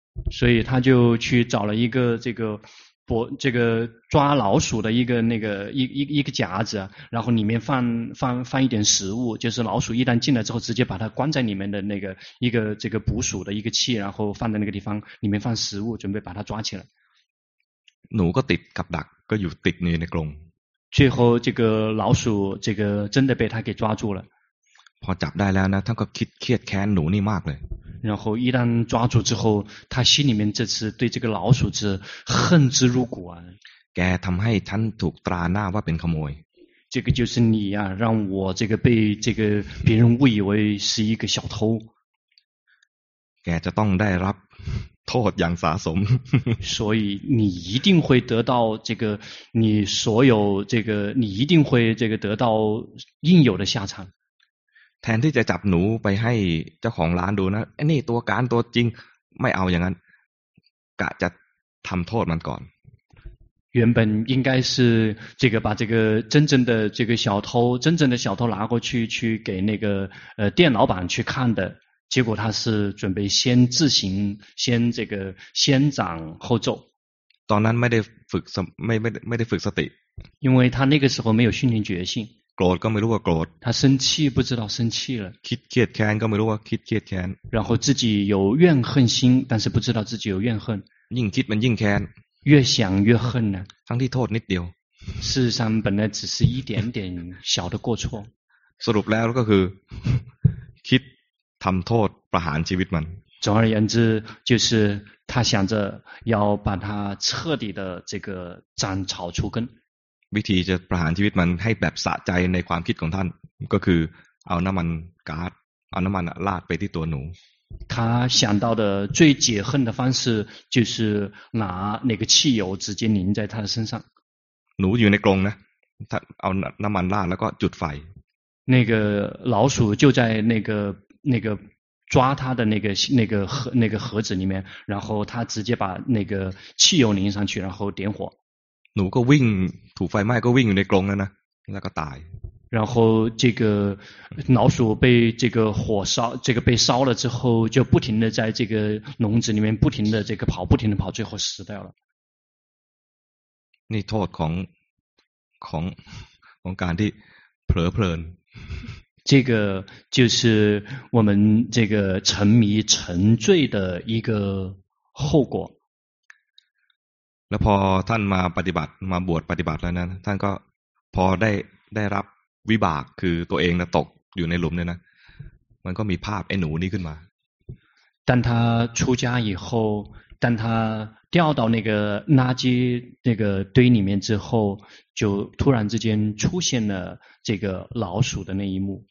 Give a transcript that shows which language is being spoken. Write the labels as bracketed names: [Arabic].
[Chinese] 所以他就去找了一个这个脖这个抓老鼠的一个那个一个夹子然后里面放一点食物就是老鼠一旦进来之后直接把它关在里面的那个一个这个捕鼠的一个器然后放在那个地方里面放食物准备把它抓起来 [Thai] หนูก็ติดกับดักก็อยู่ติดในกรง [Chinese] 最后这个老鼠这个真的被他给抓住了 [Thai] พอจับได้แล้วนะท่านก็คิดเครียดแค้นหนูนี่มากเลย [Chinese] 然后一旦抓住之后，他心里面这次对这个老鼠是恨之入骨啊。 [Thai] แกทำให้ท่านถูกตราหน้าว่าเป็นขโมย。 [Chinese] 这个就是你呀、啊，让我这个被这个别人误以为是一个小偷。 [Thai] แกจะต้องได้รับโทษอย่างสะสม。 [Chinese] 所以你一定会得到这个，你所有这个，你一定会这个得到应有的下场。 [Thai] แทนที่จะจับหนูไปให้เจ้าของร้านดูนะไอ้นี่ตัวการตัวจริงไม่เอาอย่างนั้นกะจะทำโทษมันก่อน [Chinese] 原本应该是这个把这个真正的这个小偷真正的小偷拿过去去给那个店老板去看的结果他是准备先自行先这个先斩后奏 [Thai] ตอนนั้นไม่ได้ฝึกไม่ได้ฝึกสติ [Chinese] 因为他那个时候没有训练决心 [Thai] โกรธก็ไม่รู้ว่าโกรธ [Chinese] 他生气不知道生气了 [Thai] คิดเครียดแค้นก็ไม่รู้ว่าคิดเครียดแค้น [Chinese] 然后自己有怨恨心但是不知道自己有怨恨 [Thai] ยิ่งคิดมันยิ่งแค้น [Chinese] 越想越恨呢 [Thai] ทั้งที่โทษนิดเดียว [Chinese] 事实上本来只是一点点小的过错 [Thai] สรุปแล้วก็คือคิดทำโทษประหารชีวิตมัน [Chinese] 总而言之就是他想着要把他彻底的这个斩草除根 [Thai] วิธีจะประหารชีวิตมันให้แบบสะใจในความคิดของท่านก็คือเอาน้ำมันก๊าซเอาน้ำมันราดไปที่ตัวหนู [Chinese] 他想到的最解恨的方式就是拿那个汽油直接淋在他的身上 [Thai] หนูอยู่ในกรงนะถ้าเอาน้ำมันราดแล้วก็จุดไฟ [Chinese] 那个老鼠就在那个抓他的那个盒子里面然后他直接把那个汽油淋上去然后点火 [Thai] หนูก็วิ่งถูกไฟไหม้ก็วิ่งอยู่ในกรงแล้วนะแล้วก็ตาย [Chinese] 然后这个老鼠被这个火烧这个被烧了之后就不停的在这个笼子里面不停的这个跑不停的跑最后死掉了 [Thai] นี่โทษของการที่เผลอเพลิน [Chinese] 这个就是我们这个沉迷沉醉的一个后果 [Thai] แล้วพอท่านมาปฏิบัติมาบวชปฏิบัติแล้วนะท่านก็พอได้รับวิบากคือตัวเองนะตกอยู่ในหลุมเนี่ยนะมันก็มีภาพไอ้หนูนี่ขึ้นมา [Chinese] 但他出家以后但他掉到那个垃圾那个堆里面之后就突然之间出现了这个老鼠的那一幕